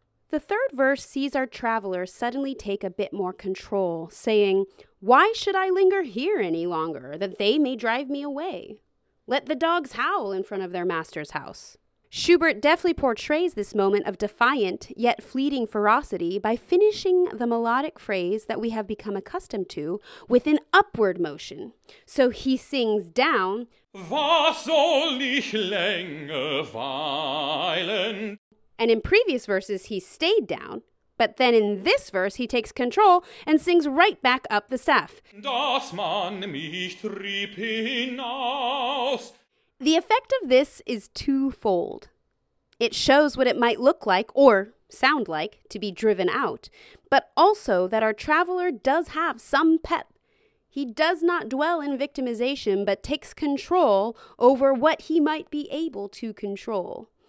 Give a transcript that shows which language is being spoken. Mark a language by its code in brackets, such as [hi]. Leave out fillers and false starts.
[en] The third verse sees our traveler suddenly take a bit more control, saying, "Why should I linger here any longer, that they may drive me away? Let the dogs howl in front of their master's house." Schubert deftly portrays this moment of defiant yet fleeting ferocity by finishing the melodic phrase that we have become accustomed to with an upward motion. So he sings down, [de] "Was soll ich länger weilen?" [en] And in previous verses, he stayed down. But then in this verse, he takes control and sings right back up the staff. [de] Dass man mich trieb hinaus. [en] The effect of this is twofold. It shows what it might look like, or sound like, to be driven out, but also that our traveler does have some pep. He does not dwell in victimization, but takes control over what he might be able to control.